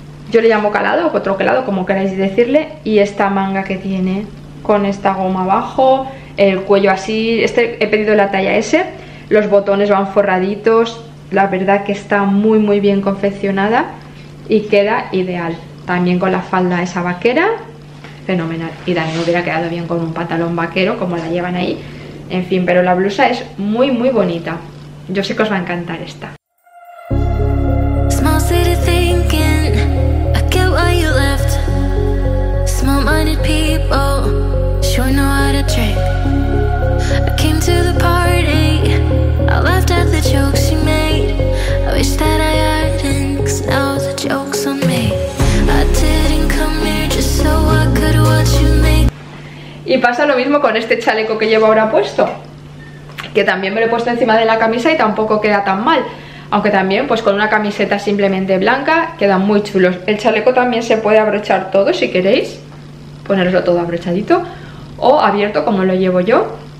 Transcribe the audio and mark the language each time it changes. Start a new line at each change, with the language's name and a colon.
Spanish: Yo le llamo calado o troquelado, como queráis decirle, y esta manga que tiene con esta goma abajo, el cuello así, este he pedido la talla S, los botones van forraditos, la verdad que está muy muy bien confeccionada y queda ideal. También con la falda esa vaquera, fenomenal, y también hubiera quedado bien con un pantalón vaquero como la llevan ahí. En fin, pero la blusa es muy muy bonita. Yo sé que os va a encantar esta.
English: Small city thinking, I get why you left. Small minded people, sure know how to trick. I came to the party, I laughed at the jokes you made. I wish that I hadn't, cause now the joke's on me. I didn't come here just so I could watch you make.
Spanish: Y pasa lo mismo con este chaleco que llevo ahora puesto, que también me lo he puesto encima de la camisa y tampoco queda tan mal. Aunque también pues con una camiseta simplemente blanca quedan muy chulos. El chaleco también se puede abrochar todo si queréis, ponerlo todo abrochadito o abierto como lo llevo yo.